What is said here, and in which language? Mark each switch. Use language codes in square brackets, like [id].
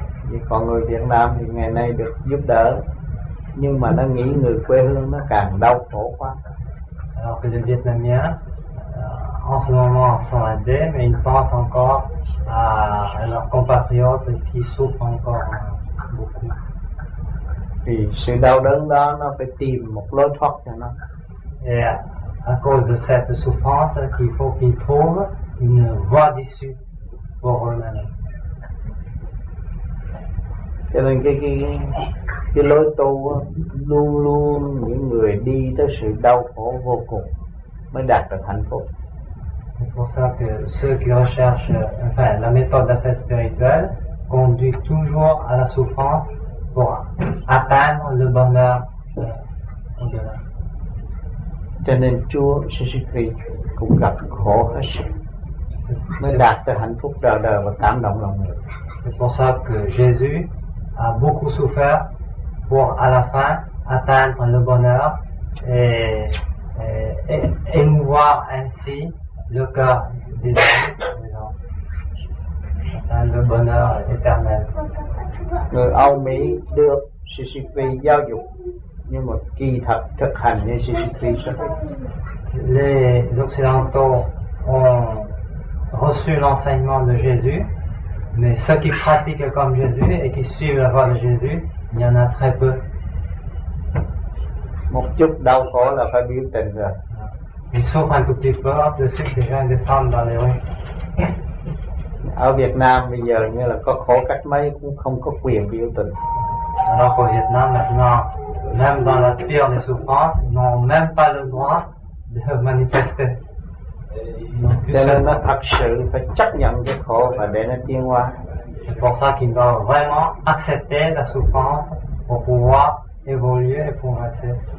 [vi] Thì còn người Việt Nam thì ngày nay được giúp đỡ, nhưng mà nó nghĩ người quê hương nó càng đau khổ quá. [fr] Alors que les Vietnamiens en ce moment sont aidés, mais ils pensent encore à leurs compatriotes qui souffrent encore beaucoup. [vi] Thì sự đau đớn đó nó phải tìm một lối thoát cho nó. [fr] Et à cause de cette souffrance, il faut qu'ils trouvent une voie d'issue pour eux-mêmes. [vi] Cho nên cái lối tu luôn luôn những người đi tới sự đau khổ vô cùng mới đạt được hạnh phúc. [fr] C'est pour ça que ceux qui recherchent, enfin, la méthode d'ascèse spirituelle conduit toujours à la souffrance pour atteindre le bonheur. [vi] Cho nên Chúa Jésus-Christ cũng gặp khổ hết sức mới đạt được hạnh phúc đời đời và cảm động lòng người. [fr] C'est pour ça que Jésus a beaucoup souffert pour à la fin atteindre le bonheur et émouvoir ainsi le cœur des gens, atteindre le bonheur éternel. [vi] Người Âu Mỹ được CCP giáo dục, nhưng mà kỳ thật thực hành như CCP rất ít. [fr] Les Occidentaux ont reçu l'enseignement de Jésus, mais ceux qui pratiquent comme Jésus et qui suivent la voie de Jésus, il y en a très peu. [vi] Một chút đau khổ là phải biểu tình rồi. [fr] Ils souffrent un tout petit peu, hop, de suite les gens descendent dans les rues. [vi] Ở Việt Nam bây giờ như là có khổ cách mấy cũng không có quyền biểu tình. [fr] Alors qu'au Vietnam maintenant, même dans la pire des souffrances, ils n'ont même pas le droit de manifester. [vi] Cho nên nó thật sự phải chấp nhận cái khổ và để nó tiến hóa. [fr] C'est pour ça qu'il doit vraiment accepter la souffrance pour pouvoir évoluer et progresser.